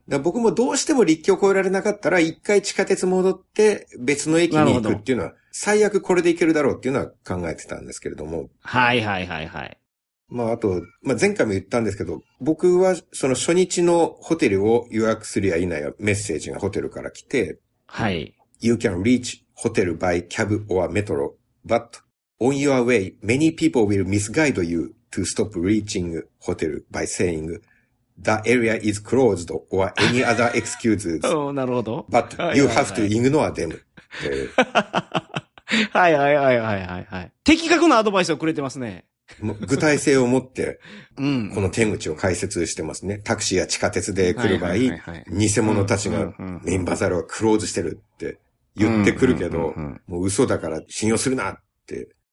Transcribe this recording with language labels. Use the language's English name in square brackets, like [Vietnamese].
[Japanese] だ僕もどうしても陸橋越えられなかったら、一回地下鉄戻って別の駅に行くっていうのは、最悪これでいけるだろうっていうのは考えてたんですけれども。はいはいはいはい。まああと、まあ前回も言ったんですけど、僕はその初日のホテルを予約するやいないメッセージがホテルから来て、はい。 [English] You can reach hotel by cab or metro, but On your way, many people will misguide you to stop reaching hotel by saying the area is closed or any other excuses. [Japanese] Oh, なるほど。 [English] But you have to ignore them. [Japanese] はいはいはいはいはい。的確なアドバイスをくれてますね。具体性を持って、この手口を解説してますね。タクシーや地下鉄で来る場合、偽物たちがメインバザルはクローズしてるって言ってくるけど、もう嘘だから信用するなって。